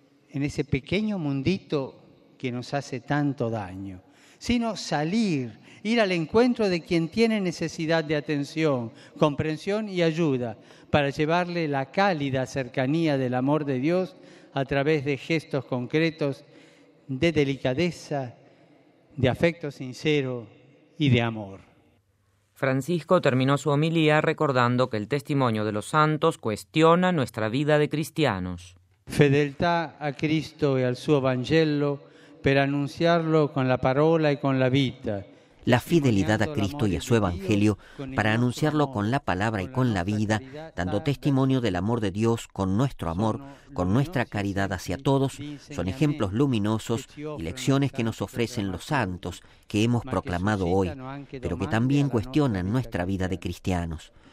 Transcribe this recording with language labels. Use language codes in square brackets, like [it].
[es] en ese pequeño mundito que nos hace tanto daño, sino salir, ir al encuentro de quien tiene necesidad de atención, comprensión y ayuda para llevarle la cálida cercanía del amor de Dios a través de gestos concretos de delicadeza, de afecto sincero y de amor. Francisco terminó su homilía recordando que el testimonio de los santos cuestiona nuestra vida de cristianos. [it] Fedeltà a Cristo e al suo Evangelio per annunciarlo con la parola e con la vita, [es] la fidelidad a Cristo y a su Evangelio para anunciarlo con la palabra y con la vida, dando testimonio del amor de Dios con nuestro amor, con nuestra caridad hacia todos, son ejemplos luminosos y lecciones que nos ofrecen los santos que hemos proclamado hoy, pero que también cuestionan nuestra vida de cristianos.